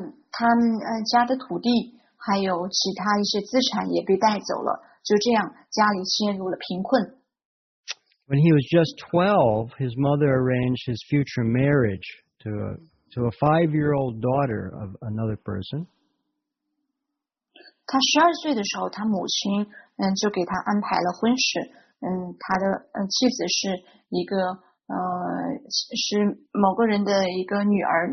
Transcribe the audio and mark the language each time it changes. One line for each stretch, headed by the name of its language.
Chinese: 他们家的土地还有其他一些资产也被带走了。就这样，家里陷入了贫困。
English: When he was just 12, his mother arranged his future marriage to a 5-year-old daughter of another person.
Chinese: 他十二岁的时候，他母亲就给他安排了婚事。他的妻子是一个是某个人的一个女儿。